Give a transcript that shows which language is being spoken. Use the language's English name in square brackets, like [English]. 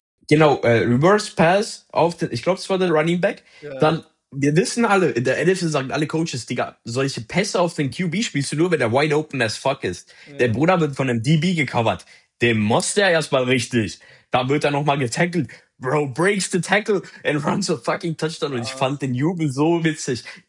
[German] Genau, Reverse Pass auf den... Ich glaube, es war der Running Back. Ja. Dann, wir wissen alle, in der NFL sagen alle Coaches, Digga, solche Pässe auf den QB spielst du nur, wenn der [English] wide open as fuck [German] ist. Ja. Der Bruder wird von einem DB gecovert. Dem muss der erstmal richtig. Dann wird er nochmal getackelt. [English] Bro breaks the tackle and runs a fucking touchdown. [German] Ja. Und ich fand den Jubel so witzig.